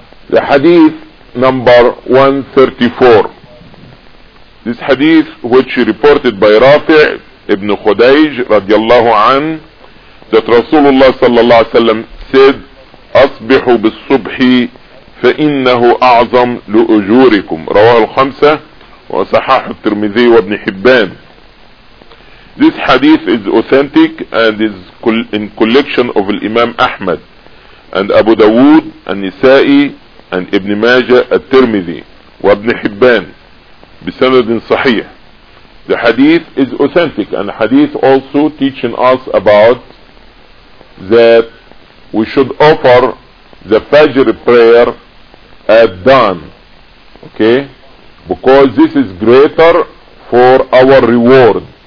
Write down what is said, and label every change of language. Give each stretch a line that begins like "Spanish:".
English: The hadith number 134. This hadith, which reported by Rafi' ibn Khudayj radiyallahu an, that Rasulullah sallallahu alayhi wa sallam said,
Arabic: أصبحوا بالصبح فإنه أعظم لأجوركم. رواه الخمسة وصححه الترمذي وابن حبان.
English: This hadith is authentic and is in collection of Imam Ahmad and Abu Dawood and Nisa'i and Ibn Majah al-Tirmidhi
Arabic: وابن حبان بسند صحيح.
English: The hadith is authentic, and hadith also teaching us about that we should offer the Fajr prayer at dawn, okay, because this is greater for our reward